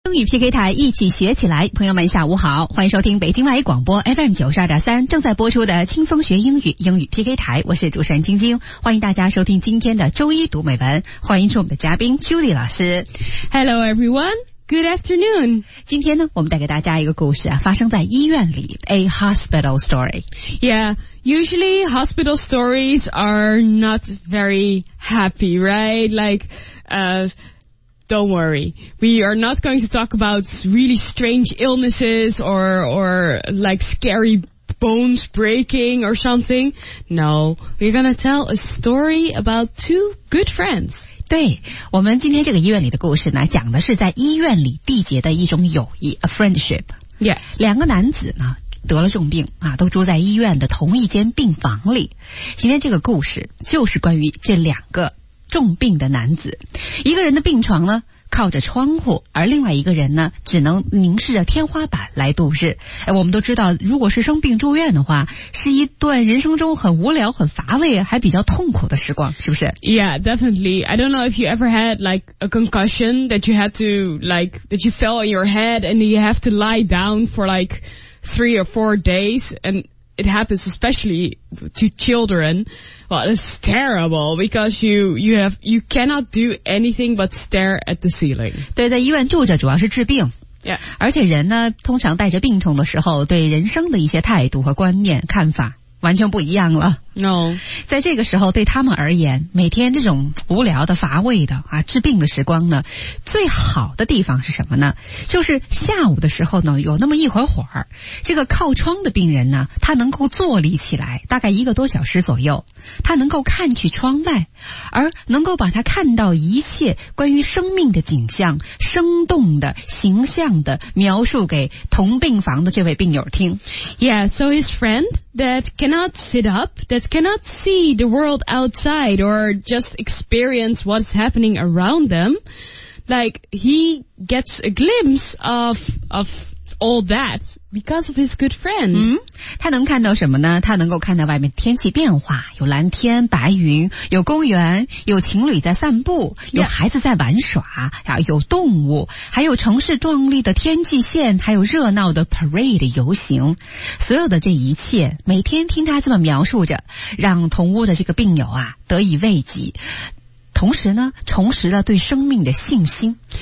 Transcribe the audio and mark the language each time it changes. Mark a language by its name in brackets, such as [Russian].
[Chinese] 英语 PK 台一起学起来，朋友们下午好，欢迎收听北京外语广播 FM92.3 正在播出的轻松学英语英语 PK 台，我是主持人晶晶，欢迎大家收听今天的周一读美文，欢迎出我们的嘉宾 Judy 老师。 [English] Hello everyone, good afternoon. [Chinese] 今天呢，我们带给大家一个故事啊，发生在医院里， [English] A hospital story. Yeah, usually hospital stories are not very happy, right? Don't worry. We are not going to talk about really strange illnesses or scary bones breaking or something. No, we're going to tell a story about two good friends. [Chinese] 对，我们今天这个医院里的故事呢，讲的是在医院里缔结的一种友谊 , [English] a friendship. Yeah. [Chinese] 两个男子呢得了重病啊，都住在医院的同一间病房里。今天这个故事就是关于这两个重病的男子，一个人的病床呢靠着窗户，而另外一个人呢只能凝视着天花板来度日。我们都知道，如果是生病住院的话，是一段人生中很无聊、很乏味、还比较痛苦的时光，是不是？ [English] Yeah, definitely. I don't know if you ever had like a concussion that you had to like that you fell on your head and you have to lie down for like 3 or 4 days and it happens especially to children. Well, it's terrible because you cannot do anything but stare at the ceiling. [Chinese] 对，在医院住着主要是治病。 [English] Yeah. [Chinese] 而且人呢，通常带着病痛的时候，对人生的一些态度和观念、看法完全不一样了。 [English] No. [Chinese] 在这个时候，对他们而言，每天这种无聊的、乏味的啊，治病的时光呢，最好的地方是什么呢？就是下午的时候呢，有那么一会儿，这个靠窗的病人呢，他能够坐立起来，大概一个多小时左右，他能够看去窗外，而能够把他看到一切关于生命的景象，生动的、形象的描述给同病房的这位病友听。 [English] Yeah, so his friend that cannot sit up, that cannot see the world outside or just experience what's happening around them, like he gets a glimpse of all that because of his good friend. [Chinese] 他能看到什么呢？他能够看到外面天气变化，有蓝天白云，有公园，有情侣在散步，有孩子在玩耍，有动物，还有城市壮丽的天际线，还有热闹的 parade 游行。所有的这一切，每天听他这么描述着，让同屋的这个病友啊得以慰藉，同时呢，重拾了对生命的信心。